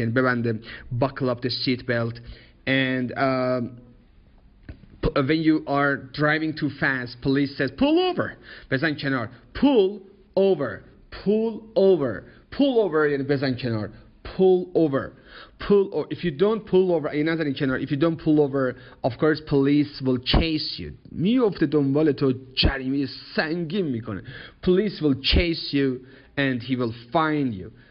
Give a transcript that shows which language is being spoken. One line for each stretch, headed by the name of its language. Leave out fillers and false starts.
Persian: یعنی ببنده,
English: buckle up the seat belt. And when you are driving too fast, police says pull over.
Persian: بزن کنار.
English: Pull over. Pull over. Pull over.
Persian: یعنی بزن کنار.
English: Pull over. Pull over. If you don't pull over, you're not in general. If you don't pull over, of course, police will chase you.
Persian: میفته دنبال تو جریمه سنگین میکنه.
English: Police will chase you and he will find you.